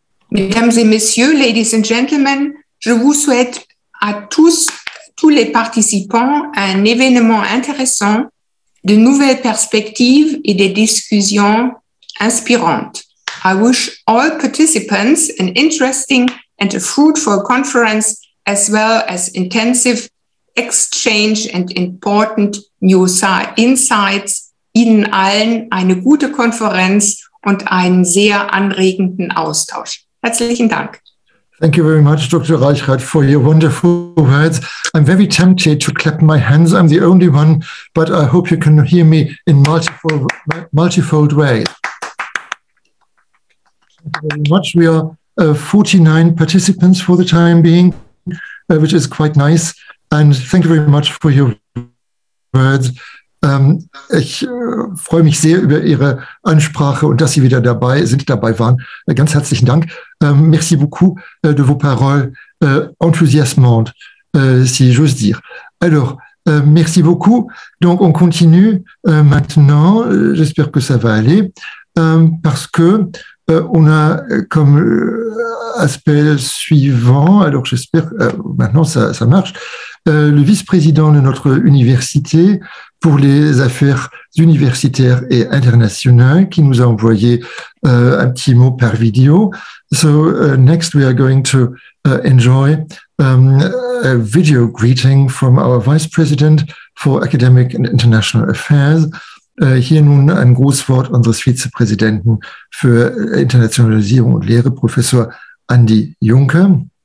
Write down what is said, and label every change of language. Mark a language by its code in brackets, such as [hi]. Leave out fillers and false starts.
[fr] Mesdames et messieurs, [en] ladies and gentlemen, [fr] je vous souhaite à tous les participants un événement intéressant, de nouvelles perspectives et des discussions inspirantes. [en] I wish all participants an interesting and a fruitful conference, as well as intensive exchange and important new insights. [de] Ihnen allen eine gute Konferenz und einen sehr anregenden Austausch. Herzlichen Dank. [en] Thank you very much, Dr. Reichert, for your wonderful words. I'm very tempted to clap my hands. I'm the only one, but I hope you can hear me in multifold ways. Thank you very much. We are 49 participants for the time being, which is quite nice. And thank you very much for your words. [de] Ich freue mich sehr über Ihre Ansprache und dass Sie wieder dabei waren. Ganz herzlichen Dank. [fr] Merci beaucoup de vos paroles enthousiasmantes, si j'ose dire. Alors, merci beaucoup. Donc, on continue maintenant. J'espère que ça va aller. Parce que on a comme aspect suivant, alors j'espère maintenant ça marche, le vice-président de notre université pour les affaires universitaires et internationales qui nous a envoyé un petit mot par vidéo. [en] So next we are going to enjoy a video greeting from our vice president for academic and international affairs. [de] Hier nun ein Grußwort unseres Vizepräsidenten für Internationalisierung und Lehre, Professor Andy Juncker.